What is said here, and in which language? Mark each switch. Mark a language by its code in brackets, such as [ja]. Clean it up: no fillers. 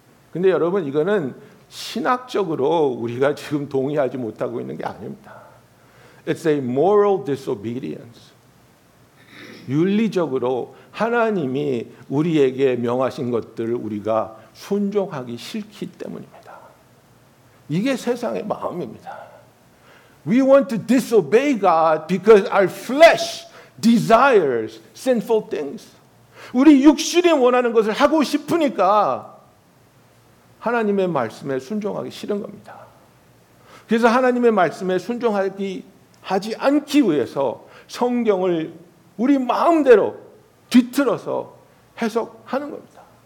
[ko] 근데 여러분 이거는 신학적으로 우리가 지금 동의하지 못하고 있는 게 아닙니다. [en] It's a moral disobedience. [ko] 윤리적으로 하나님이 우리에게 명하신 것들을 우리가 순종하기 싫기 때문입니다. 이게 세상의 마음입니다. [en] We want to disobey God because our flesh desires sinful things. [ko] 우리 육신이 원하는 것을 하고 싶으니까 하나님의 말씀에 순종하기 싫은 겁니다. 그래서 하나님의 말씀에 순종하기 하지 않기 위해서 성경을 우리 마음대로 뒤틀어서 해석하는 겁니다.